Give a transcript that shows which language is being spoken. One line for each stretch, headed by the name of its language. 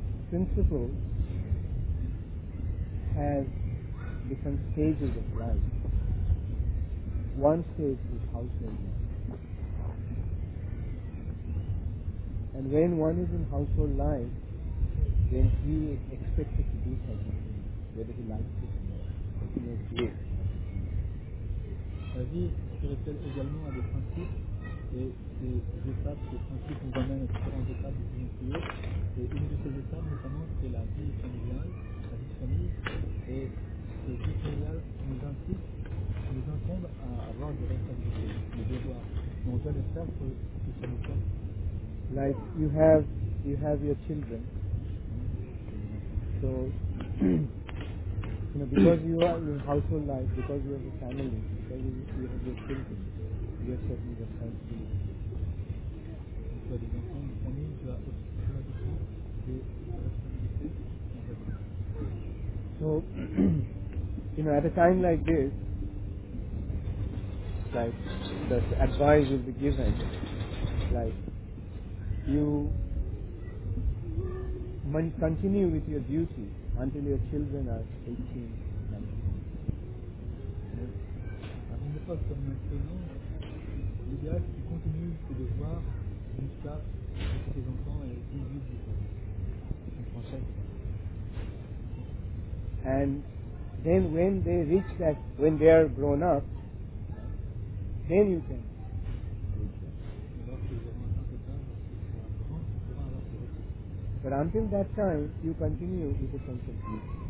English: principle has different stages of life. One stage is household love. And when one is in household life, then he is expected to do something, whether he likes it or not. He knows it.
French: La vie se rappelle également à des principes et ces étapes, ces principes nous amènent à différentes étapes de vie plus haute. Et une de ces étapes notamment c'est la vie familiale, la vie de famille. Et cette vie familiale nous incite, nous incombe à avoir des responsabilités, des devoirs. Donc on doit le faire pour que ça nous soit.
English: Like you have your children. So you know, because you are in household life, because you have a family, because you have your children, you have certain responsibilities. So, you know, at a time like this, like the advice will be given, like you continue with your duty until your children are 18.
French: Comme maintenant, l'idéal c'est qu'il continue ce devoir jusqu'à ce que ses enfants aient 18 ans. En français.
English: And then when they reach that, when they are grown up, then you can. But until that time, you continue with the consciousness.